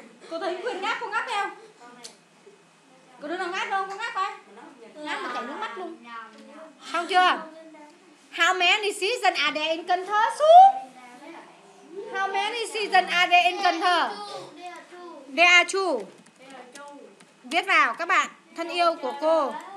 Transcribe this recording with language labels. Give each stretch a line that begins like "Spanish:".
Vietnamese: Cô thấy Quyền ngáp không ngáp theo? Cô đứa nào ngáp không? Cô ngáp coi. Ngáp mà chảy nước mắt luôn. Xong chưa?
English: How many seasons are there in Cần Thơ? How many seasons are there in Cần Thơ? There are two.
Vietnamese: Viết vào các bạn thân yêu của cô.